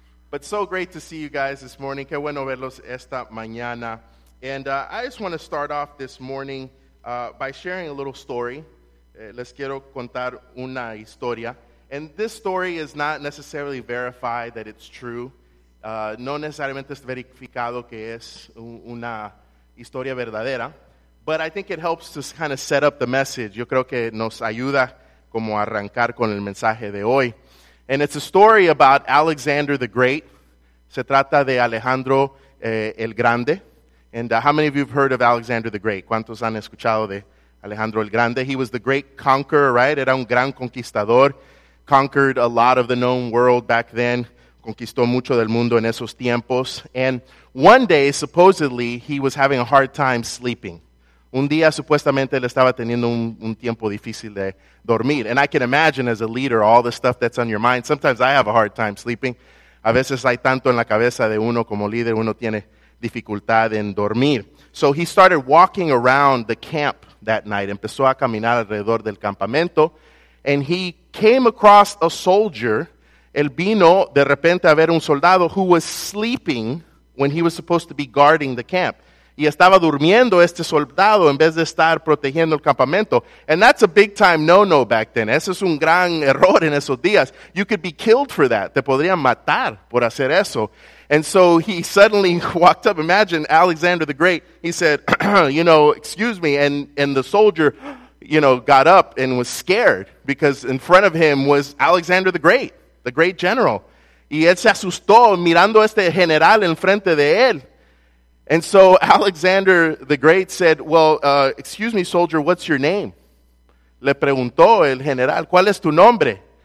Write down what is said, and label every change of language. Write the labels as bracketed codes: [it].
[en] But so great to see you guys this morning. [es] Qué bueno verlos esta mañana. [en] And I just want to start off this morning by sharing a little story. [es] Les quiero contar una historia. [en] And this story is not necessarily verified that it's true. [es] No necesariamente es verificado que es una historia verdadera. [en] But I think it helps to kind of set up the message. [es] Yo creo que nos ayuda como arrancar con el mensaje de hoy. [en] And it's a story about Alexander the Great. [es] Se trata de Alejandro el Grande. [en] And how many of you have heard of Alexander the Great? [es] ¿Cuántos han escuchado de Alejandro el Grande? [en] He was the great conqueror, right? [es] Era un gran conquistador. [en] Conquered a lot of the known world back then. [es] Conquistó mucho del mundo en esos tiempos. [en] And one day, supposedly, he was having a hard time sleeping. [es] Un día, supuestamente, él estaba teniendo un tiempo difícil de dormir. [en] And I can imagine, as a leader, all the stuff that's on your mind. Sometimes I have a hard time sleeping. [es] A veces hay tanto en la cabeza de uno como líder, uno tiene dificultad en dormir. [en] So he started walking around the camp that night. [es] Empezó a caminar alrededor del campamento. [en] And he came across a soldier. [es] Él vino de repente a ver un soldado [en] who was sleeping when he was supposed to be guarding the camp. [es] Y estaba durmiendo este soldado en vez de estar protegiendo el campamento. [en] And that's a big time no-no back then. [es] Eso es un gran error en esos días. [en] You could be killed for that. [es] Te podrían matar por hacer eso. [en] And so he suddenly walked up. Imagine Alexander the Great. He said, you know, excuse me. And the soldier, you know, got up and was scared because in front of him was Alexander the Great, the great general. [es] Y él se asustó mirando este general en frente de él. [en] And so Alexander the Great said, well, excuse me, soldier, what's your name? [es] Le preguntó el general, ¿cuál es tu nombre?